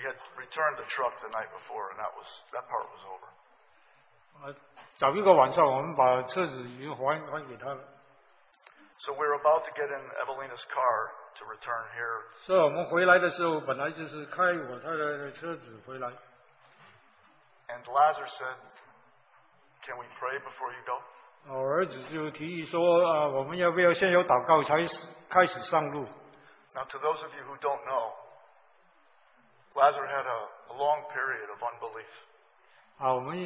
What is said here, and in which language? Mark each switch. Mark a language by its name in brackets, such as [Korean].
[English] had returned the truck the night before, and that part was over. [Chinese] 早一个晚上，我们把车子已经还给他了。 [English] So we're about to get in Evelina's car to return here. So [Chinese] 我们回来的时候，本来就是开我太太的车子回来。 [English] And Lazarus said, "Can we pray before you go?" [Chinese] 我儿子就提议说，我们要不要先有祷告才开始上路？ [English] Now, to those of you who don't know, Lazarus had a long period of unbelief.